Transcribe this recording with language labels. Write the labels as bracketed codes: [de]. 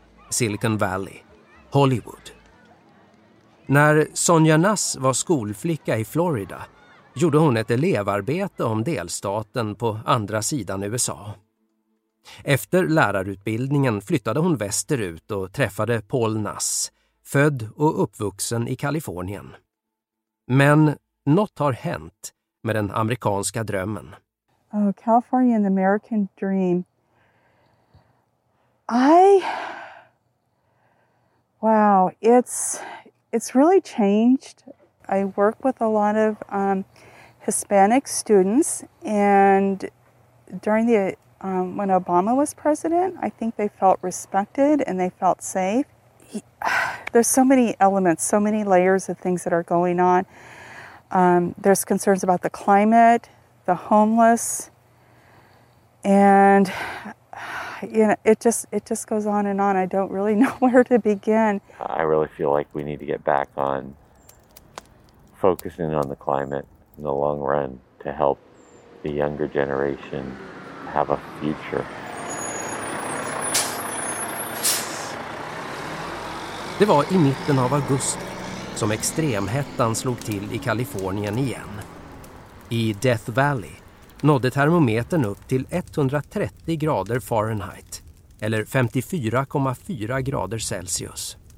[sv] Silicon Valley, Hollywood. När Sonja Nass var skolflicka i Florida gjorde hon ett elevarbete om delstaten på andra sidan USA. Efter lärarutbildningen flyttade hon västerut och träffade Paul Nass, född och uppvuxen i Kalifornien. Men något har hänt med den amerikanska drömmen. [en] Oh, California and the American dream. Wow, it's really changed. I work with a lot of Hispanic students, and during the when Obama was president, I think they felt respected and they felt safe. There's so many elements, so many layers of things that are going on. There's concerns about the climate, the homeless, and you know, it just goes on and on. I don't really know where to begin. I really feel like we need to get back on focusing on the climate in the long run to help the younger generation have a future. [sv] Det var i mitten av augusti som extremhettan slog till i Kalifornien igen. I Death Valley nådde termometern upp till 130 grader Fahrenheit, eller 54,4 grader Celsius.